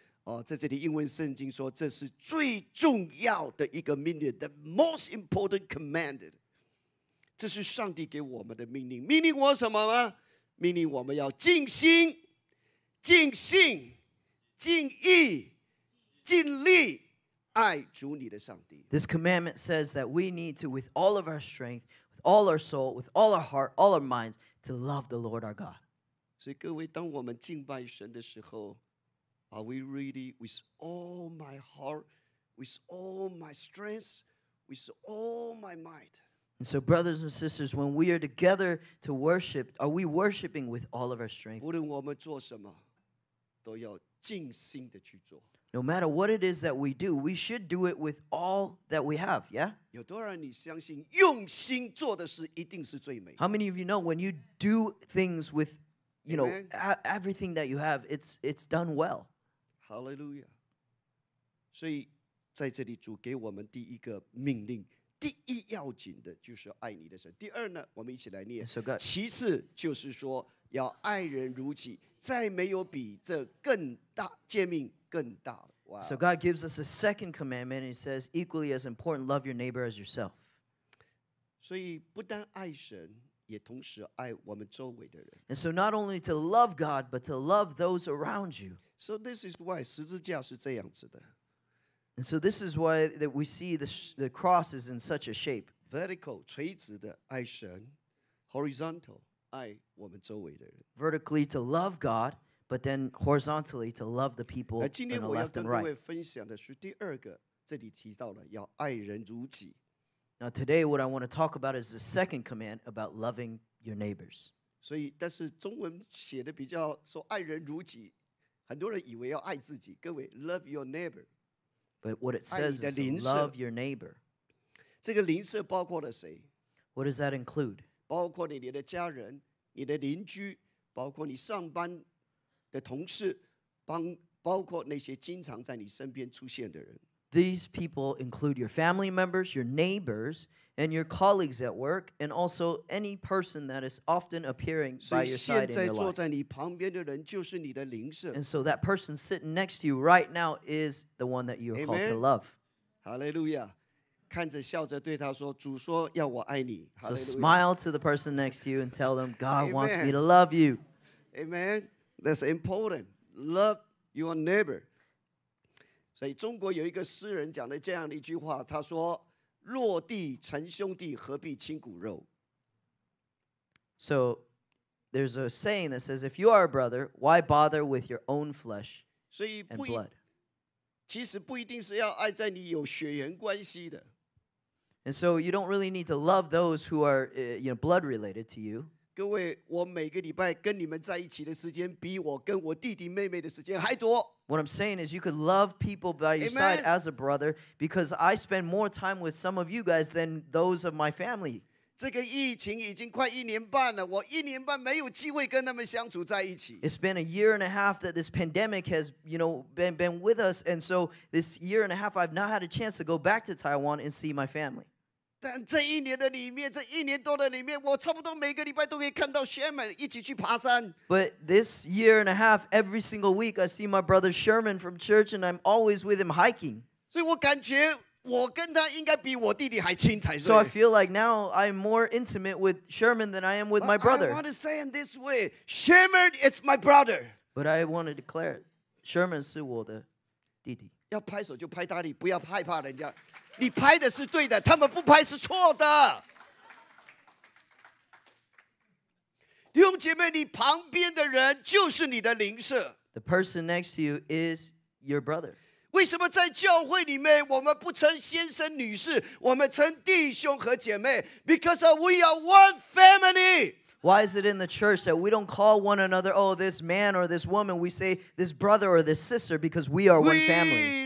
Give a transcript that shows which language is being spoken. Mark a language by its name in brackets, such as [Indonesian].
[Chinese] 哦，在这里英文圣经说，这是最重要的一个命令 ， [English] the most important command。 [Chinese] 这是上帝给我们的命令。命令我什么吗？命令我们要尽心、尽性、尽意、尽力爱主你的上帝。 [English] This commandment says that we need to, with all of our strength, with all our soul, with all our heart, all our minds, to love the Lord our God. [Chinese] 所以各位，当我们敬拜神的时候， [English] are we really with all my heart, with all my strength, with all my might? And so, brothers and sisters, when we are together to worship, are we worshiping with all of our strength? [Chinese] 无论我们做什么，都要尽心的去做。 [English] No matter what it is that we do, we should do it with all that we have, yeah? [Chinese] 有多少人你相信用心做的事一定是最美？ [English] How many of you know when you do things with, you know, everything that you have, it's done well? Hallelujah. [Chinese] 所以在这里主给我们第一个命令。第一要紧的就是爱你的神。第二呢，我们一起来念。 [English] So、God, [Chinese] 其次就是说要爱人如己，再没有比这更大诫命更大了。 [English] Wow. So God gives us a second commandment, and He says equally as important, love your neighbor as yourself. [Chinese] 所以不但爱神，也同时爱我们周围的人。 [English] And so not only to love God, but to love those around you. So this is why [Chinese] 十字架是这样子的。 [English] And so this is why that we see the cross is in such a shape. [Chinese] Vertical, 垂直的爱神, horizontal, 爱我们周围的人。 [English] Vertically to love God, but then horizontally to love the people on the left and right. [Chinese] 今天我要跟各位分享的是第二个，这里提到了要爱人如己。 [English] Now today what I want to talk about is the second command about loving your neighbors. [Chinese] 所以但是中文写的比较说爱人如己，很多人以为要爱自己。 [English] 各位 love your neighbor. But what it says is love your neighbor. [Chinese] 这个邻舍包括了谁? [English] What does that include? [Chinese] 包括你的家人、你的邻居、包括你上班的同事、包括那些经常在你身边出现的人。 [English] These people include your family members, your neighbors, and your colleagues at work, and also any person that is often appearing by your side in your life. [Chinese] 所以现在坐在你旁边的人就是你的邻舍。 [English] And so that person sitting next to you right now is the one that you are called to love. Hallelujah. [Chinese] 看着笑着对他说，主说要我爱你。 [English] So smile to the person next to you and tell them, God wants me to love you. Amen. That's important. Love your neighbor. [Chinese] 所以中国有一个诗人讲了这样的一句话，他说：“落地成兄弟，何必亲骨肉。” [English] So, there's a saying that says, "If you are a brother, why bother with your own flesh and blood?" [Chinese] 其实不一定是要爱在你有血缘关系的。 [English] And so you don't really need to love those who are, you know, blood related to you. [Chinese] 各位，我每个礼拜跟你们在一起的时间，比我跟我弟弟妹妹的时间还多。 [English] What I'm saying is, you could love people by your side as a brother, because I spend more time with some of you guys than those of my family. [Chinese] 这个疫情已经快一年半了，我一年半没有机会跟他们相处在一起。 [English] It's been a year and a half that this pandemic has, you know, been with us, and so this year and a half, I've not had a chance to go back to Taiwan and see my family. [Chinese] 但这一年的里面，这一年多的里面，我差不多每个礼拜都可以看到 Sherman 一起去爬山。 [English] But this year and a half, every single week, I see my brother Sherman from church, and I'm always with him hiking. [Chinese] 所以我感觉我跟他应该比我弟弟还亲才对。 [English] So I feel like now I'm more intimate with Sherman than I am with my brother. I want to say in this way, Sherman is my brother. But I want to declare, Sherman [Chinese] 是我的弟弟。要拍手就拍大力，不要害怕人家。你拍的是对的，他们不拍是错的。弟兄姐妹，你旁边的人就是你的邻舍。 [English] The person next to you is your brother. [Chinese] 为什么在教会里面我们不称先生女士，我们称弟兄和姐妹 ？ [English] Because we are one family. Why is it in the church that we don't call one another, oh, this man or this woman? We say this brother or this sister because we are one family.